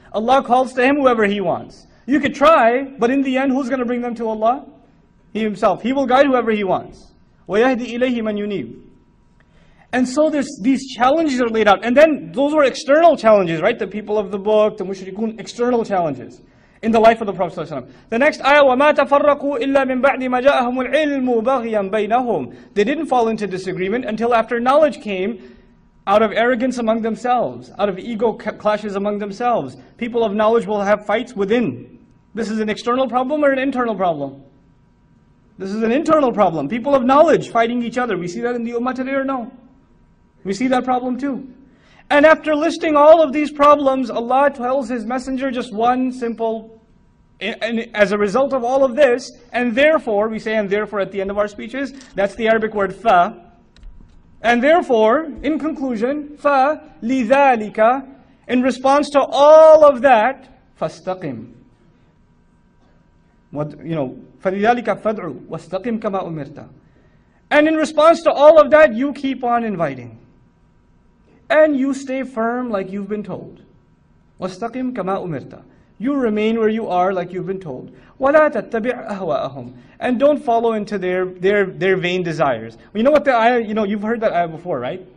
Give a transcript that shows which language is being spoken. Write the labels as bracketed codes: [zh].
[en] Allah calls to him whoever he wants. You could try, but in the end, who's going to bring them to Allah? He himself. He will guide whoever he wants. [ar] وَيَهْدِي إِلَيْهِ مَنْ يُنِيبُ. [en] And so these challenges are laid out. And then those were external challenges, right? The people of the book, the mushrikun, external challenges in the life of the Prophet ﷺ. The next ayah, [ar] وَمَا تَفَرَّقُوا إِلَّا مِنْ بَعْدِ مَا جَاءَهُمُ الْعِلْمُ بَغْيًا بَيْنَهُمْ. [en] They didn't fall into disagreement until after knowledge came out of arrogance among themselves, out of ego clashes among themselves. People of knowledge will have fights within. This is an external problem or an internal problem? This is an internal problem. People of knowledge fighting each other. We see that in the ummah today or no? We see that problem too. And after listing all of these problems, Allah tells His Messenger just one simple, and as a result of all of this, and therefore, we say and therefore at the end of our speeches, that's the Arabic word fa. And therefore, in conclusion, fa لِذَٰلِكَ, in response to all of that, [ar] فَاسْتَقِمْ. [en] What, you know, [ar] فَلِذَٰلِكَ فَدْعُوا وَاسْتَقِمْ كَمَا أُمِرْتَ. [en] And in response to all of that, you keep on inviting. And you stay firm like you've been told. [ar] وَاسْتَقِمْ كَمَا أُمِرْتَ. [en] You remain where you are like you've been told. [ar] وَلَا تَتَّبِعْ أَهْوَاءَهُمْ. [en] And don't follow into their vain desires. You know what the ayah, you know, you've heard that ayah before, right?